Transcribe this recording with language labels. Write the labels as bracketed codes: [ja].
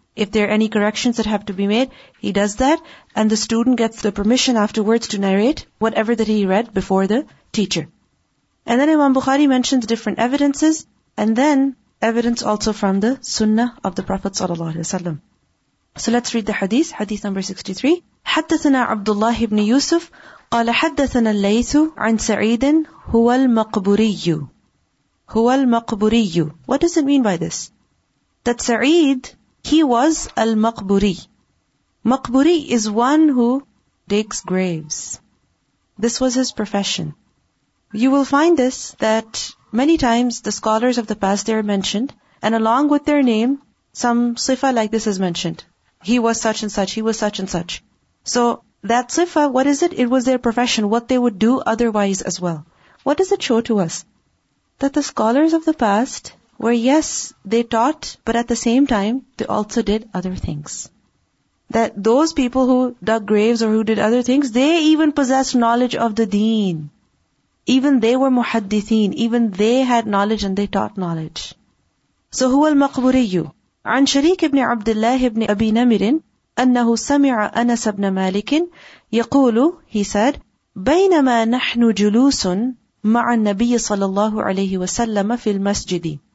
[en] If there are any corrections that have to be made, he does that. And the student gets the permission afterwards to narrate whatever that he read before the teacher. And then Imam Bukhari mentions different evidences, and then evidence also from the sunnah of the Prophet ﷺ. So let's read the hadith, hadith number 63. [ar] حدثنا عبد الله بن يوسف قال حدثنا الليث عن سعيد هو المقبوري. هو المقبوري. [en] What does it mean by this? That Sa'id, he was [ar] المقبوري. [en] مقبوري is one who digs graves. This was his profession. You will find this, that many times the scholars of the past, they are mentioned, and along with their name, some sifa like this is mentioned. He was such and such, he was such and such. So that sifa, what is it? It was their profession, what they would do otherwise as well. What does it show to us? That the scholars of the past were, yes, they taught, but at the same time, they also did other things. That those people who dug graves or who did other things, they even possessed knowledge of the deen. Even they were muhaddithin, even they had knowledge and they taught knowledge. [ar] So هو المقبوري. عن شريك بن عبد الله بن أبي نمر أنه سمع أنس بن مالك يقول, [en] he said, [ar] بينما نحن جلوس مع النبي صلى الله عليه وسلم في المسجد.